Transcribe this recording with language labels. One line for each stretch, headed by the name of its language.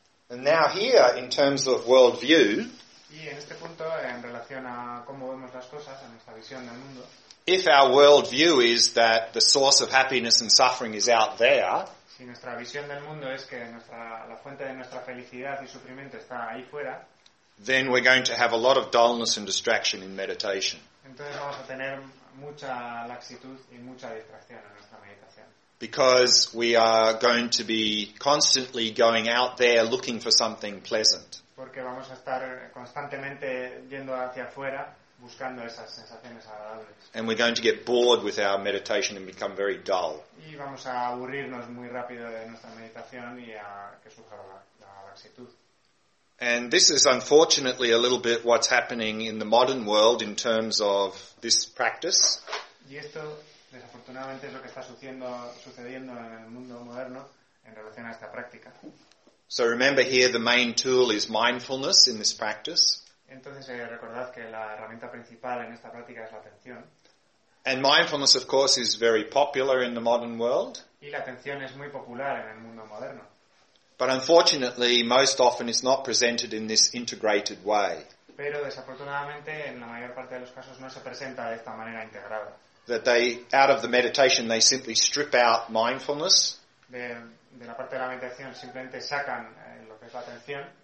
English: And now here, in terms of world view,
Spanish: y en este punto, en relación a cómo vemos las cosas, a nuestra visión del mundo,
English: if our world view is that the source of happiness and suffering is out there,
Spanish: si nuestra visión del mundo es que la fuente de nuestra felicidad y sufrimiento está ahí fuera,
English: then we're going to have a lot of dullness and distraction in meditation.
Spanish: Entonces vamos a tener mucha laxitud y mucha distracción en nuestra meditación.
English: Because we are going to be constantly going out there looking for something pleasant.
Spanish: Porque vamos a estar constantemente yendo hacia afuera buscando esas sensaciones agradables.
English: And we're going to get bored with our meditation and become very dull.
Spanish: Y vamos a aburrirnos muy rápido de nuestra meditación y a que surja la laxitud.
English: And this is unfortunately a little bit what's happening in the modern world in terms of this practice.
Spanish: Y esto, desafortunadamente, es lo que está sucediendo en el mundo moderno en relación a esta práctica.
English: So remember here the main tool is mindfulness in this practice.
Spanish: Entonces recordad que la herramienta principal en esta práctica es la atención.
English: And mindfulness, of course, is very popular in the modern world.
Spanish: Y la atención es muy popular en el mundo moderno.
English: But unfortunately, most often it's not presented in this integrated way.
Spanish: Pero desafortunadamente, en la mayor parte de los casos, no se presenta de esta manera integrada.
English: That they, out of the meditation, they simply strip out mindfulness.
Spanish: De la parte de la meditación simplemente sacan lo que es la atención.